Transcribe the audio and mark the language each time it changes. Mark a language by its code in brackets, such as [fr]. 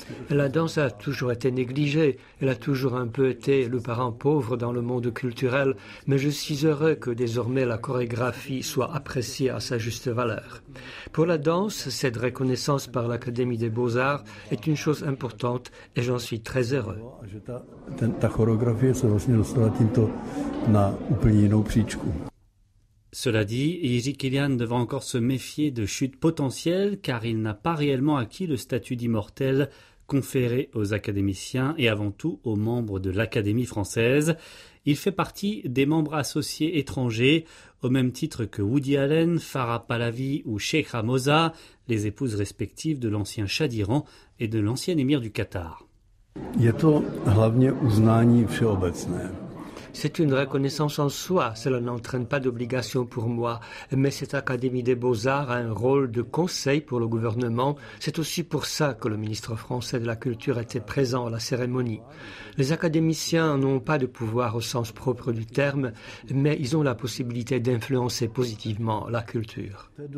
[fr] La danse a toujours été négligée, elle a toujours un peu été le parent pauvre dans le monde culturel, mais je suis heureux que désormais la chorégraphie soit appréciée à sa juste valeur. Pour la danse, cette reconnaissance par l'Académie des Beaux-Arts est une chose importante et j'en suis très heureux. [cs] Ta chorégraphie se vlastně dostala tímto na úplně jinou příčku. [fr] Cela dit, Jiří Kilian devra encore se méfier de chutes potentielles car il n'a pas réellement acquis le statut d'immortel conféré aux académiciens et avant tout aux membres de l'Académie française. Il fait partie des membres associés étrangers, au même titre que Woody Allen, Farah Pahlavi ou Sheikha Moza, les épouses respectives de l'ancien Shah d'Iran et de l'ancien émir du Qatar. C'est surtout [cs] uznání všeobecné. [fr] C'est une reconnaissance en soi, cela n'entraîne pas d'obligation pour moi. Mais cette Académie des Beaux-Arts a un rôle de conseil pour le gouvernement. C'est aussi pour ça que le ministre français de la Culture était présent à la cérémonie. Les académiciens n'ont pas de pouvoir au sens propre du terme, mais ils ont la possibilité d'influencer positivement la culture.